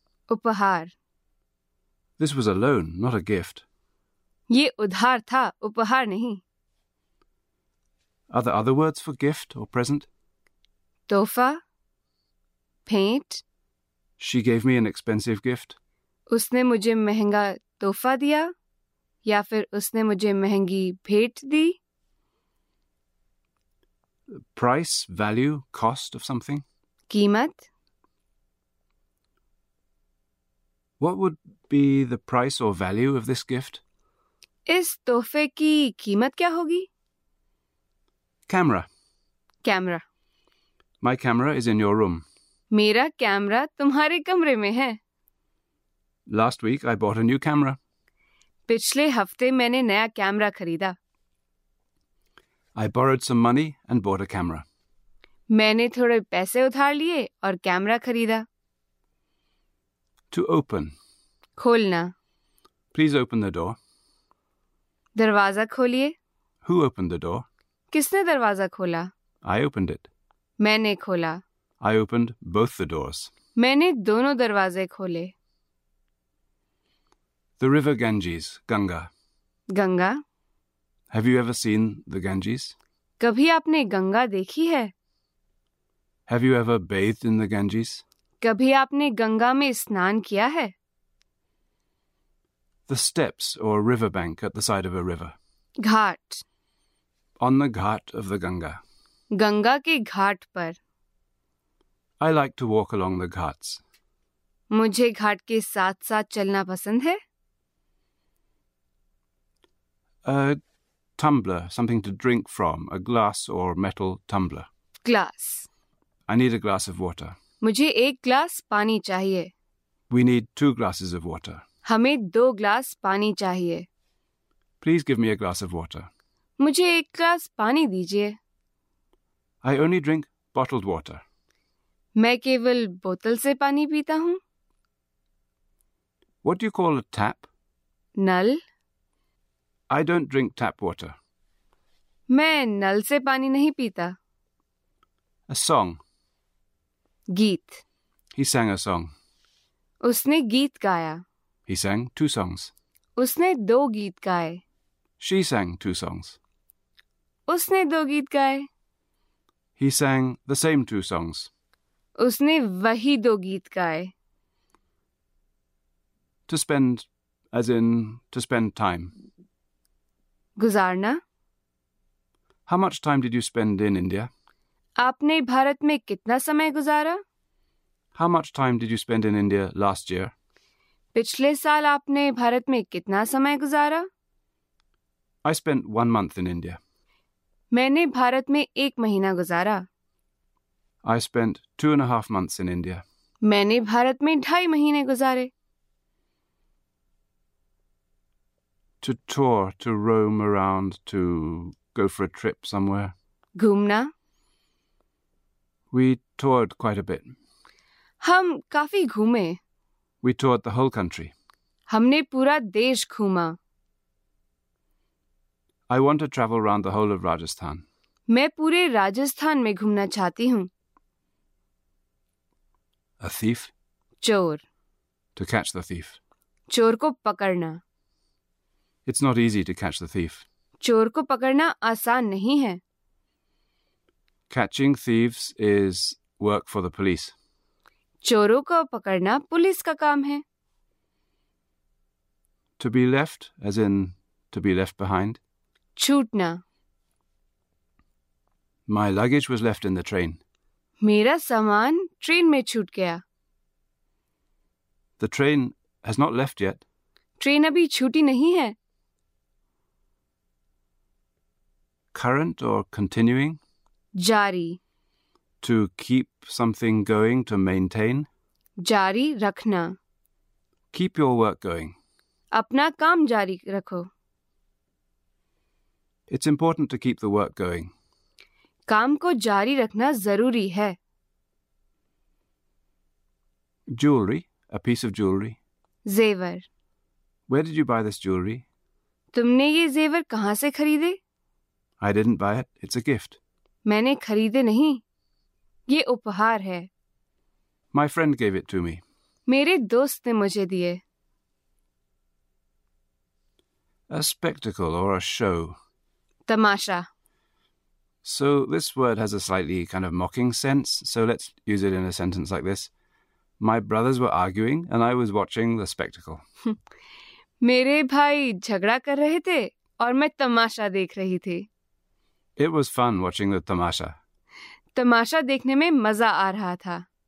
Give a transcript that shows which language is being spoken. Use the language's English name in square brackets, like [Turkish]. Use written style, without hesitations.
[Hindi] उपहार। [English] This was a loan, not a gift. [Hindi] ये उधार था, उपहार नहीं। [English] Are there other words for gift or present? [Hindi] तोहफा, भेंट। [English] She gave me an expensive gift. [Hindi] उसने मुझे महंगा तोहफा दिया, या फिर उसने मुझे महंगी भेंट दी। [English] Price, value, cost of something. [Hindi] कीमत। [English] What would be the price or value of this gift? [Hindi] इस तोहफे की कीमत क्या होगी? [English] Camera. [Hindi] Camera. [English] My camera is in your room. [Hindi] मेरा कैमरा तुम्हारे कमरे में है। [English] Last week I bought a new camera. [Hindi] पिछले हफ्ते मैंने नया कैमरा खरीदा। [English] I borrowed some money and bought a camera. [Hindi] मैंने थोड़े पैसे उधार लिए और कैमरा खरीदा। [English] To open. [Hindi] खोलना। [English] Please open the door. [Hindi] दरवाजा खोलिए। [English] Who opened the door? [Hindi] किसने दरवाजा खोला? [English] I opened it. [Hindi] मैंने खोला। [English] I opened both the doors. [Hindi] मैंने दोनों दरवाजे खोले। [English] The river Ganges, Ganga. [Hindi] Ganga. [English] Have you ever seen the Ganges? [Hindi] कभी आपने गंगा देखी है? [English] Have you ever bathed in the Ganges? [Hindi] कभी आपने गंगा में स्नान किया है? [English] The steps or river bank at the side of a river. [Hindi] Ghat. [English] On the ghat of the Ganga. [Hindi] Ganga के घाट पर। [English] I like to walk along the ghats. [Hindi] मुझे घाट के साथ साथ चलना पसंद है। [English] A tumbler, something to drink from, a glass or metal tumbler. Glass. I need a glass of water. [Hindi] मुझे एक ग्लास पानी चाहिए। [English] We need two glasses of water. [Hindi] हमें दो ग्लास पानी चाहिए। [English] Please give me a glass of water. [Hindi] मुझे एक ग्लास पानी दीजिए। [English] I only drink bottled water. [Hindi] मैं केवल बोतल से पानी पीता हूँ। [English] What do you call a tap? [Hindi] Null. [English] I don't drink tap water. [Hindi] मैं नल से पानी नहीं पीता। [English] A song. [Hindi] गीत। [English] He sang a song. [Hindi] उसने गीत गाया। [English] He sang two songs. [Hindi] उसने दो गीत गाए। [English] She sang two songs. [Hindi] उसने दो गीत गाए। [English] He sang the same two songs. [Hindi] उसने वही दो गीत गाए. [English] To spend, as in to spend time. [Hindi] गुजारना. [English] How much time did you spend in India? [Hindi] आपने भारत में कितना समय गुजारा? [English] How much time did you spend in India last year? [Hindi] पिछले साल आपने भारत में कितना समय गुजारा? [English] I spent 1 month in India. [Hindi] मैंने भारत में एक महीना गुजारा. [English] I spent 2.5 months in India. [Hindi] मैंने भारत में ढाई महीने गुजारे. [English] To tour, to roam around, to go for a trip somewhere. [Hindi] घूमना. [English] We toured quite a bit. [Hindi] हम काफी घूमे. [English] We toured the whole country. [Hindi] हमने पूरा देश घूमा. [English] I want to travel around the whole of Rajasthan. [Hindi] मैं पूरे राजस्थान में घूमना चाहती हूँ. [English] A thief? [Hindi] चोर. [English] To catch the thief. [Hindi] चोर को पकड़ना. [English] It's not easy to catch the thief. [Hindi] चोर को पकड़ना आसान नहीं है. [English] Catching thieves is work for the police. [Hindi] चोरों को पकड़ना पुलिस का काम है. [English] To be left, as in to be left behind. [Hindi] छूटना. [English] My luggage was left in the train. [Hindi] मेरा सामान ट्रेन में छूट गया. [English] The train has not left yet. [Hindi] Train अभी छूटी नहीं है. [English] Current or continuing? [Hindi] जारी. [English] To keep something going, to maintain? [Hindi] जारी रखना. [English] Keep your work going. [Hindi] अपना काम जारी रखो. [English] It's important to keep the work going. [Hindi] काम को जारी रखना जरूरी है. [English] Jewelry, a piece of jewelry. [Hindi] जेवर. [English] Where did you buy this jewelry? [Hindi] तुमने ये जेवर कहाँ से खरीदे? [English] I didn't buy it. It's a gift. [Hindi] मैंने खरीदे नहीं. ये उपहार है. [English] My friend gave it to me. [Hindi] मेरे दोस्त ने मुझे दिए. [English] A spectacle or a show. [Hindi] Tamasha. [English] So this word has a slightly kind of mocking sense, so let's use it in a sentence like this. My brothers were arguing and I was watching the spectacle. [Hindi] मेरे भाई झगड़ा कर रहे थे और मैं तमाशा देख रही थी. [English] It was fun watching the tamasha. [Hindi] तमाशा देखने में मजा आ रहा था.